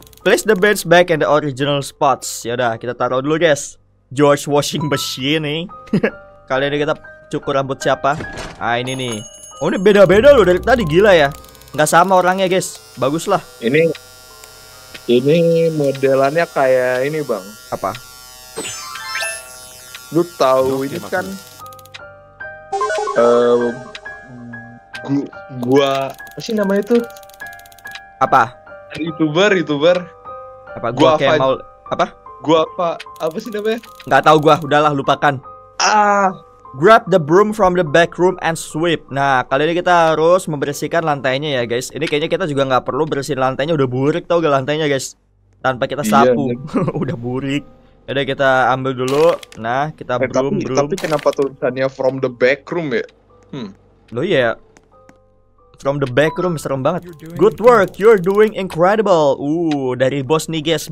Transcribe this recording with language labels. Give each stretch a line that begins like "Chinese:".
English: Place the bins back in the original spots.
Indonesian: Ya udah, kita taruh dulu, guys. George Washing Machine nih. Kali ini kita cukur rambut siapa? Ah, ini nih. Oh, ini beda-beda loh dari tadi, gila ya. Nggak sama orangnya, guys. Bagus lah. Ini modelannya kayak ini, Bang. Apa? Lu tahu ini kan? Gua apa sih namanya tuh? Apa? YouTuber. Apa? Gua kayak mau apa? Gua apa sih namanya? Nggak tahu gua, udahlah lupakan.
English: Grab the broom from the back room and sweep.
Indonesian: Nah, kali ini kita harus membersihkan lantainya ya, guys. Ini kayaknya kita juga nggak perlu bersihin lantainya. Udah burik tau gak lantainya, guys. Tanpa kita sapu. Iya. Udah burik. Yaudah, kita ambil dulu. Nah, kita broom. Tapi kenapa tulisannya
English: from the back room
Indonesian: ya? Loh iya ya.
English: From the back room,
Indonesian: serem banget.
English: Good work, you're doing incredible.
Indonesian: Dari bos nih, guys.